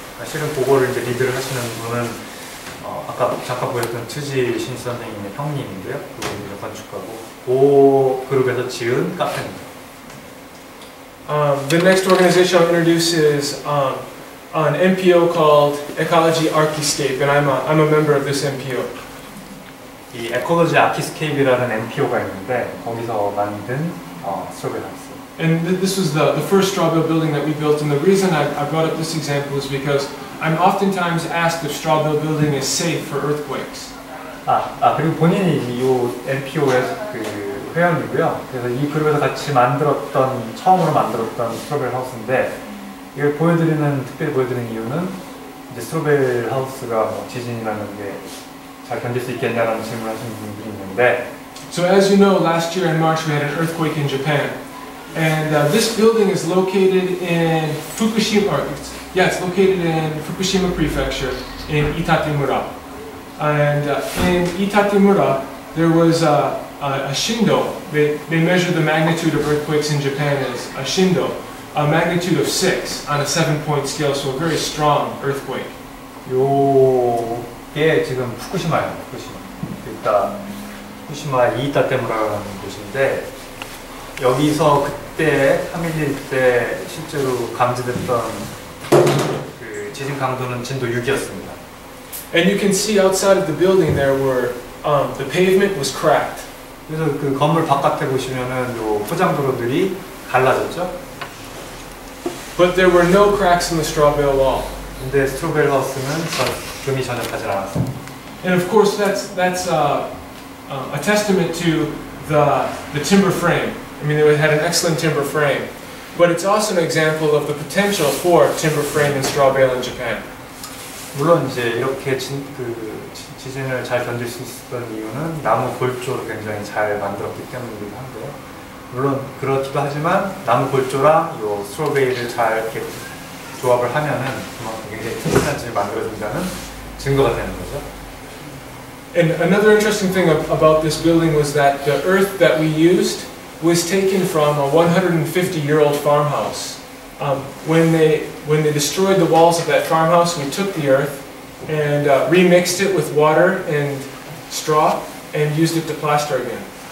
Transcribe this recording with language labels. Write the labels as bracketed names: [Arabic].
[Korean] 사실은 그거를 이제 리드를 하시는 분은 아까 잠깐 보였던 트지 신 선생님의 형님인데요. 그분이 건축가고 그 그룹에서 지은 카페입니다. [English] The next organization I'll introduce is an NPO called Ecology Archiscape, and I'm a member of this NPO. [Korean] 이 Ecology Archiscape이라는 NPO가 있는데 거기서 만든 스트로베일 하우스. [English] And this was the first straw bale building that we built, and the reason I brought up this example is because I'm oftentimes asked if straw bale building is safe for earthquakes. [Korean] 아 그리고 본인이 이 NPO의 그 회원이고요. 그래서 이 그룹에서 같이 만들었던 처음으로 만들었던 스트로베일 하우스인데. 이걸 보여드리는 특별히 보여드리는 이유는 이제 스트로베일 하우스가 뭐 지진이라는 게 잘 견딜 수 있겠냐라는 질문을 하시는 분들이 있는데. [English] So as you know, last year in March we had an earthquake in Japan, and this building is located in Fukushima. Or, yeah, it's located in Fukushima Prefecture in Itatimura. And in Itatimura, there was a shindo. They measure the magnitude of earthquakes in Japan as a shindo. A magnitude of 6 on a 7-point scale, so a very strong earthquake. [Korean] 요게 지금 후쿠시마예요, 후쿠시마. 일단 후쿠시마 이타테무라라는 곳인데 여기서 그때 3.11 때 실제로 감지됐던 그 지진 강도는 진도 6이었습니다. [English] And you can see outside of the building there were the pavement was cracked. [Korean] 그래서 그 건물 바깥에 보시면은 요 포장 도로들이 갈라졌죠. [English] But there were no cracks in the straw bale wall. [Korean] 근데 스트로베일 하우스는 금이 전혀 가지 않았습니다. [English] And of course, that's a testament to the timber frame. I mean, they had an excellent timber frame. But it's also an example of the potential for timber frame and straw bale in Japan. [Korean] 물론 이제 이렇게 지진을 잘 견딜 수 있었던 이유는 나무 골조를 굉장히 잘 만들었기 때문이기도 한데요. 물론 그렇기도 하지만 나무 골조랑 요 스트로베일을 잘 이렇게 조합을 하면은 그만큼 굉장히 튼튼한 집이 만들어진다는 증거가 되는 거죠. [English] And another interesting thing about this building was that the earth that we used was taken from a 150-year-old farmhouse. When they destroyed the walls of that farmhouse, we took the earth and remixed it with water and straw and used it to plaster again.